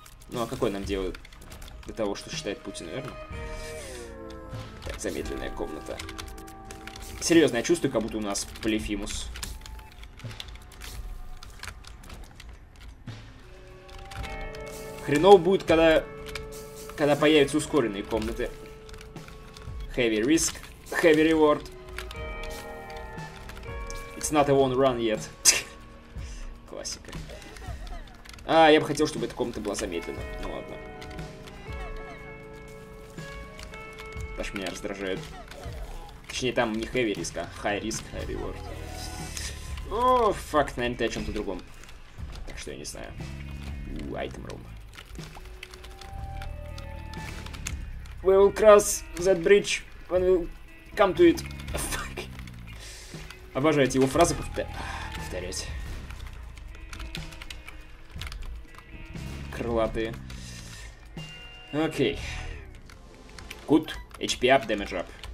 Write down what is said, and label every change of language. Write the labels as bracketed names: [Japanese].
[Russian] Ну, а какое нам дело до того, что считает Путин, верно? Так, замедленная комната. Серьезно, я чувствую, как будто у нас Полифимус. Хреново будет, когда появятся ускоренные комнаты. [English] Heavy risk, heavy reward. It's not a one run yet. [Russian] Классика. А, я бы хотел, чтобы эта комната была замедлена. Ну ладно. Даже меня раздражает. Точнее, там не [English] heavy risk, [Russian] а [English] high risk, high reward. [Russian] О, факт, наверное, ты о чем-то другом. Так что я не знаю. [English] Item room. We will cross that bridge when we come to it. Fuck. [Russian] Обожаю эти его фразы повторять. Крылатые. Окей. [English] Good. HP up, damage up.